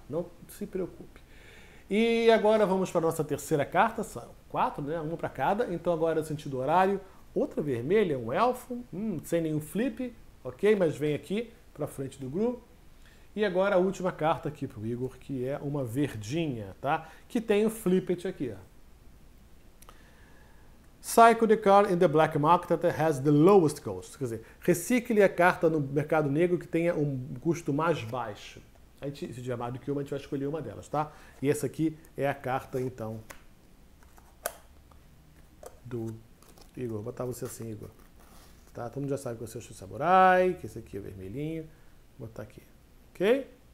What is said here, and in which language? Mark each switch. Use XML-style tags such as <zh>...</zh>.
<pt>Não se preocupe. E agora vamos para a nossa terceira carta, são quatro, né? Uma para cada. Então agora sentido horário, outra vermelha, um elfo, sem nenhum flip, ok? Mas vem aqui para frente do Gru. E agora a última carta aqui para o Igor, que é uma verdinha, tá? Que tem o Flippet aqui, ó.</pt> <en>Cycle the card in the black market that has the lowest cost.</en> <pt>Quer dizer, recicle a carta no mercado negro que tenha um custo mais baixo. A gente, se tiver mais do que uma, a gente vai escolher uma delas, tá? E essa aqui é a carta, então, do Igor. Vou botar você assim, Igor. Tá? Todo mundo já sabe que você é o seu samurai, que esse aqui é vermelhinho. Vou botar aqui. Ok?</pt>